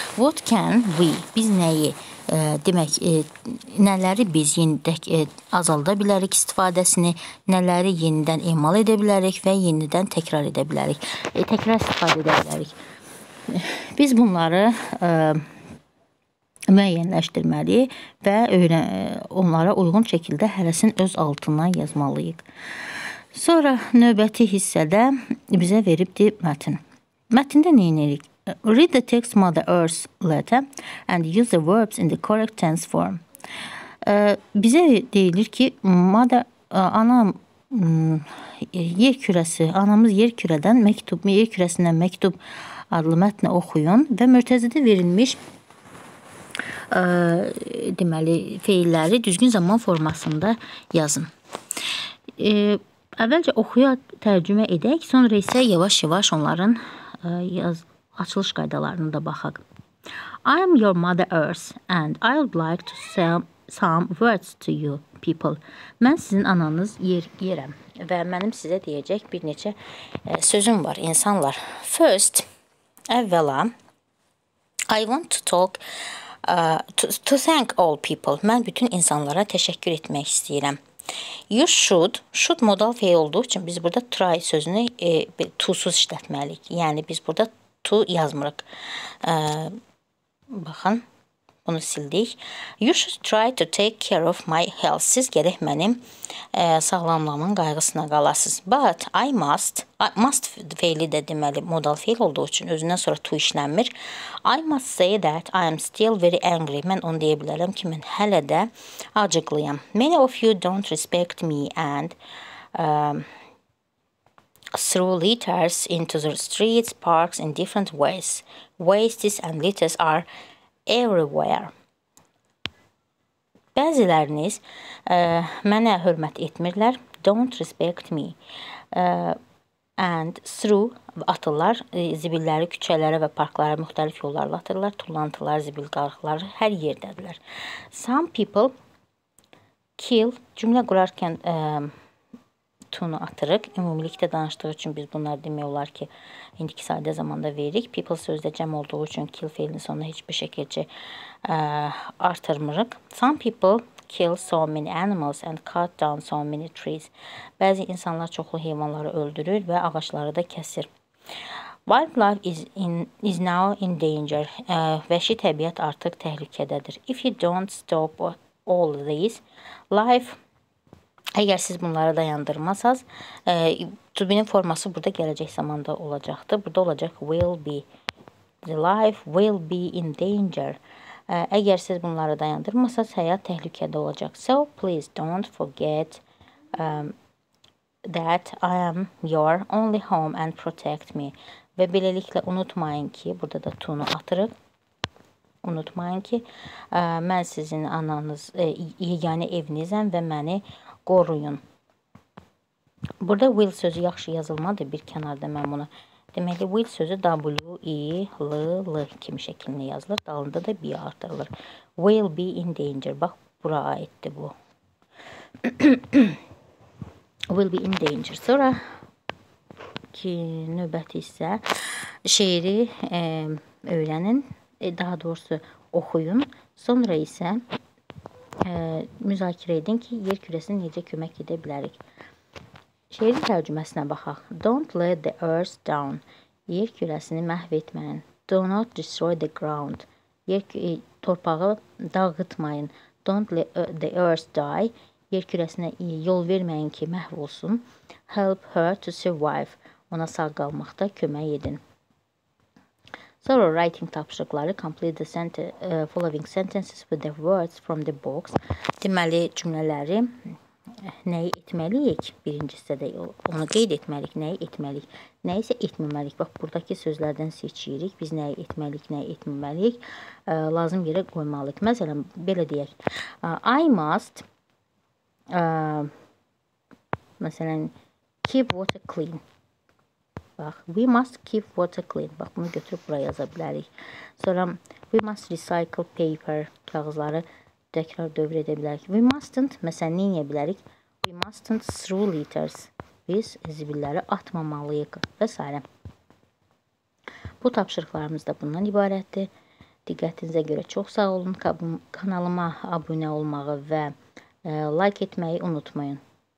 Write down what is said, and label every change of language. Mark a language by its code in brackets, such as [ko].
[en] What can we, [az] biz nəyi, demək, nələri biz yenidək azalda bilərik istifadəsini, nələri yenidən emal edə bilərik və yenidən təkrar edə bilərik, təkrar istifadə edə bilərik. Biz bunları müəyyənləşdirməli və onlara uyğun şəkildə hərəsini öz altından yazmalıyıq. Sonra növbəti hissədə bizə veribdir mətin. Mətində nə edirik? [en] Read the text Mother Earth's letter and use the verbs in the correct tense form. [az] Bizə deyilir ki, anamız yer kürədən məktub, yer kürəsindən məktub adlı mətni oxuyun və mürtəzədə verilmiş deməli, feilləri düzgün zaman formasında yazın. Əvvəlcə oxuya tərcümə edək, sonra isə yavaş-yavaş onların açılış qaydalarını da baxaq. [en] I am your mother earth and I would like to say some words to you people. [az] Mən sizin ananız yerəm və mənim sizə deyəcək bir neçə sözüm var insanlar. [en] First, [az] əvvəla, [en] I want to talk to thank all people. [az] Mən bütün insanlara təşəkkür etmək istəyirəm. [en] You should [az] modal fəil olduğu üçün biz burada try sözünü to-suz işlətməliyik. Yəni, biz burada to yazmırıq. Baxın, bunu sildik. [en] You should try to take care of my health. [az] Siz gərək mənim sağlamlığımın qayğısına qalasız. [en] But I must, [az] must feili də deməli modal feil olduğu üçün özündən sonra to işlənmir. [en] I must say that I am still very angry. [az] Mən onu deyə bilərəm ki, mən hələ də acıqlıyam. [en] Many of you don't respect me and throw litters into the streets, parks in different ways. Wastes and litters are everywhere. [az] Bəziləriniz mənə hörmət etmirlər. [en] Don't respect me. And through [az] atırlar zibilləri küçələrə və parklara müxtəlif yollarla atırlar. Tullantılar, zibil qarıqlar hər yerdədirlər. [en] Some people kill [az] cümlə qurarkən tunu atırıq. Ümumilikdə danışdığı üçün biz bunları demək olar ki, indiki sadə zamanda veririk. People sözdə cəm olduğu üçün kill feilini sonuna heç bir şəkildə artırmırıq. [en] Some people kill so many animals and cut down so many trees. [az] Bəzi insanlar çoxlu heyvanları öldürür və ağaçları da kəsir. [en] Wildlife is now in danger. [az] Vəhşi təbiət artıq təhlükədədir. [en] If you don't stop all this, life... [az] Əgər siz bunları dayandırmasaz, tubinin forması burada gələcək zamanda olacaqdır. Burada olacaq [en] will be. The life will be in danger. [az] Əgər siz bunları dayandırmasaz, həyat təhlükədə olacaq. [en] So, please don't forget that I am your only home and protect me. [az] Və beləliklə, unutmayın ki, burada da tunu atırıq. Unutmayın ki, mən sizin ananız, yəni evinizəm və məni qoruyun. Burada will sözü yaxşı yazılmadı bir kənarda mən bunu. Deməli, will sözü W-I-L-L kimi şəklində yazılır. Dalında da bir artırılır. [en] Will be in danger. [az] Bax, bura aiddir bu. [en] Will be in danger. [az] Sonra ki növbəti isə şeiri öyrənin. Daha doğrusu oxuyun. Sonra isə müzakirə edin ki, yer kürəsini necə kömək edə bilərik. Şeirin tərcüməsinə baxaq. [en] Don't let the earth down. [az] Yer kürəsini məhv etməyin. [en] Do not destroy the ground. [az] Torpağı dağıtmayın. [en] Don't let the earth die. [az] Yer kürəsinə yol verməyin ki, məhv olsun. [en] Help her to survive. [az] Ona sağ qalmaqda kömək edin. [en] Thorough writing [az] tapşırıqları. [en] Complete the following sentences with the words from the box. [az] Deməli, cümlələri nəyi etməliyik? Birinci hissədə onu qeyd etməliyik, nəyi etməliyik? Nə isə etməməliyik? Bax, buradakı sözlərdən seçirik. Biz nəyi etməliyik, nəyi etməməliyik? Lazım yerə qoymalıyıq. Məsələn, belə deyək. [en] I must, [az] məsələn, [en] keep water clean. Bax, we must keep water clean. [az] Bax, bunu götürüb bura yaza bilərik. Sonra, [en] we must recycle paper, [az] kağızları təkrar dövr edə bilərik. [en] We mustn't, [az] məsələn, neyə bilərik? [en] We mustn't throw letters. [az] Biz zibilləri atmamalıyıq və s. Bu tapşırıqlarımız da bundan ibarətdir. Diqqətinizə görə çox sağ olun. Kanalıma abunə olmağı və like etməyi unutmayın.